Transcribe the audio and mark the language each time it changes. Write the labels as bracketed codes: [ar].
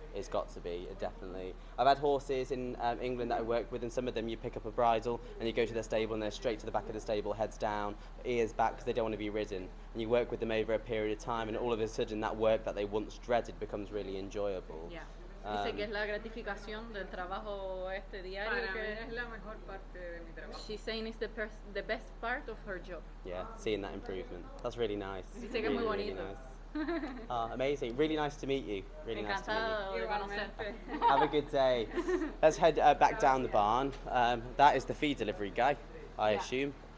[en] It's got to be, definitely. I've had horses in England that I work with, and some of them you pick up a bridle and you go to their stable and they're straight to the back of the stable, heads down, ears back, because they don't want to be ridden. And you work with them over a period of time, and all of a sudden that work that they once dreaded becomes really enjoyable. Yeah. [es] Dice que es la gratificación del trabajo este diario. Para que mí es la mejor parte de mi trabajo. [en] She's saying it's the best part of her job. Yeah, seeing that improvement. That's really nice. [es] Dice que [en] really, [es] muy bonito. [en] Really nice. Amazing. Really nice to meet you. Really [es] encantado [en] nice to meet you. [es] Igualmente. [en] Have a good day. Let's head back down the barn. That is the feed delivery guy, I assume.